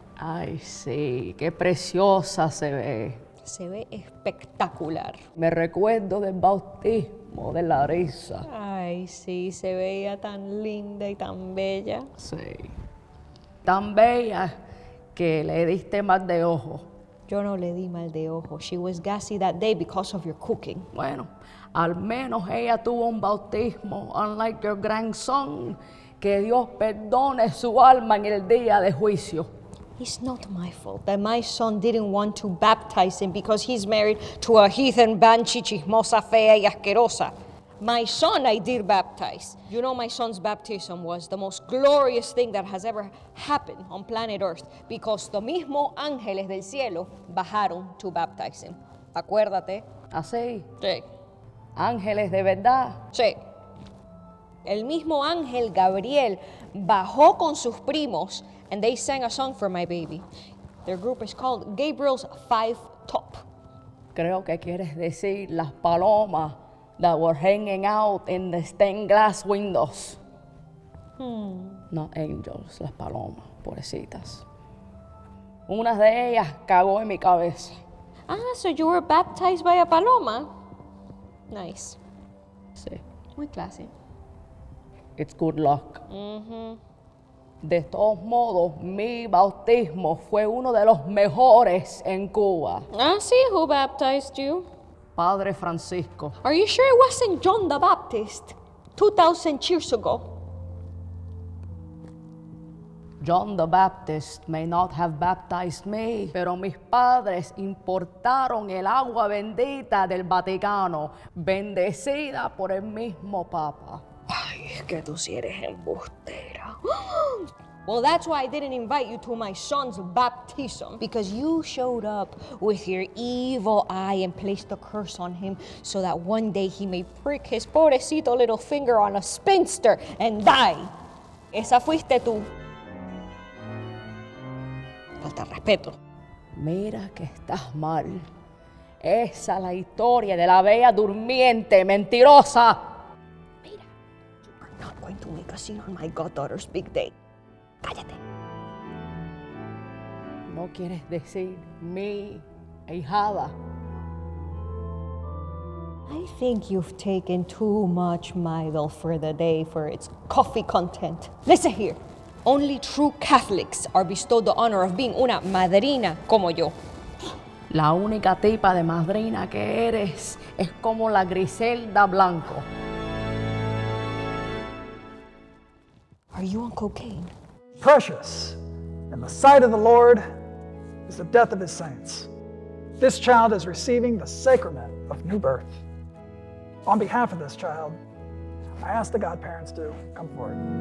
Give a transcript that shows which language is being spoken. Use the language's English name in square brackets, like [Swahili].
[Spanish] Ay, sí, qué preciosa se ve. Se ve espectacular. Me recuerdo del bautismo de Larisa. Ay, sí, se veía tan linda y tan bella. Sí, tan bella que le diste mal de ojo. Yo no le di mal de ojo. [English] She was gassy that day because of your cooking. [Spanish] Bueno, al menos ella tuvo un bautismo, [English] unlike your grandson. [Spanish] Que Dios perdone su alma en el día de juicio. [English] It's not my fault that my son didn't want to baptize him because he's married to a heathen banshee [Spanish] chismosa fea y asquerosa. [English] My son I did baptize. You know my son's baptism was the most glorious thing that has ever happened on planet Earth because the [Spanish] mismo ángeles del cielo bajaron [English] to baptize him. [Spanish] Acuérdate. Así. Sí. Ángeles de verdad. Sí. El mismo ángel Gabriel bajó con sus primos [English] and they sang a song for my baby. Their group is called Gabriel's Five Top. [Spanish] Creo que quieres decir las palomas [English] that were hanging out in the stained glass windows. [Spanish] No, angels, las palomas, pobrecitas. Una de ellas cagó en mi cabeza. [English] Ah, so you were baptized by a paloma. Nice. [Spanish] Sí. Muy clásico. [English] It's good luck. [Spanish] De todos modos, mi bautismo fue uno de los mejores en Cuba. [English] Ah, sí, who baptized you? [Spanish] Padre Francisco. [English] Are you sure it wasn't John the Baptist 2,000 years ago? John the Baptist may not have baptized me, [Spanish] pero mis padres importaron el agua bendita del Vaticano, bendecida por el mismo Papa. Ay, es que tú sí eres embustera. [English] Well, that's why I didn't invite you to my son's baptism. Because you showed up with your evil eye and placed a curse on him so that one day he may prick his pobrecito little finger on a spinster and die. [Spanish] Esa fuiste tú. Falta respeto. Mira que estás mal. Esa es la historia de la bella durmiente, mentirosa. [English] Not going to make a scene on my goddaughter's big day. [Spanish] Cállate. No quieres decir mi ahijada. [English] I think you've taken too much Midol for the day for its coffee content. Listen here. Only true Catholics are bestowed the honor of being [Spanish] una madrina como yo. La única tipa de madrina que eres es como la Griselda Blanco. [English] Are you on cocaine? Precious, in the sight of the Lord is the death of his saints. This child is receiving the sacrament of new birth. On behalf of this child, I ask the godparents to come forward.